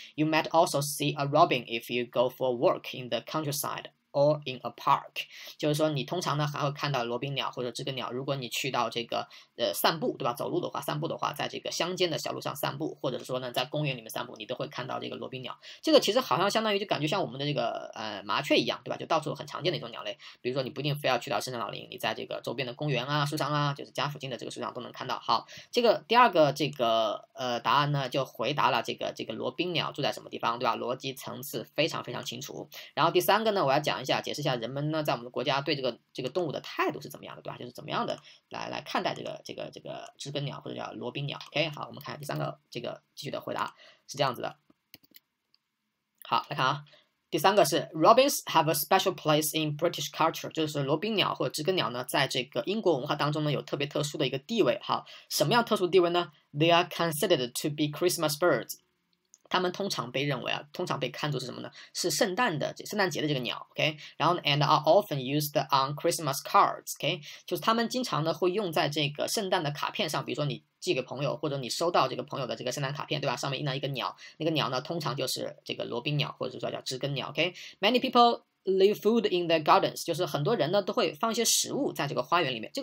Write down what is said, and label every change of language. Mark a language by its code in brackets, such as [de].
[en] You might also see a robin if you go for work in the countryside or in a park。 [zh] 就是说你通常呢还会看到罗宾鸟或者知更鸟，如果你去到这个散步，对吧？走路的话，散步的话，在这个乡间的小路上散步，或者是说呢，在公园里面散步，你都会看到这个罗宾鸟。这个其实好像相当于就感觉像我们的这个麻雀一样，对吧？就到处很常见的一种鸟类。比如说，你不一定非要去到深山老林，你在这个周边的公园啊、树上啊，就是家附近的这个树上都能看到。好，这个第二个这个答案呢，就回答了这个罗宾鸟住在什么地方，对吧？逻辑层次非常非常清楚。然后第三个呢，我要讲一下，解释一下人们呢在我们的国家对这个动物的态度是怎么样的，对吧？就是怎么样的来看待这个知更鸟或者叫罗宾鸟，OK？好，我们看第三个这个继续的回答是这样子的。好，来看啊，第三个是 [en] Robins have a special place in British culture， [zh] 就是罗宾鸟或者知更鸟呢，在这个英国文化当中呢有特别特殊的一个地位。好，什么样特殊地位呢？ [en] They are considered to be Christmas birds。 [zh] 他们通常被认为啊，通常被看作是什么呢？是圣诞节的这个鸟，OK？然后呢， [en] and are often used on Christmas cards，OK？ [zh] 就是他们经常呢会用在这个圣诞的卡片上，比如说你寄给朋友，或者你收到这个朋友的这个圣诞卡片，对吧？上面印了一个鸟，那个鸟呢通常就是这个罗宾鸟，或者说叫知更鸟，OK？ [en] Many people leave food in the gardens， [zh] 就是很多人呢都会放一些食物在这个花园里面。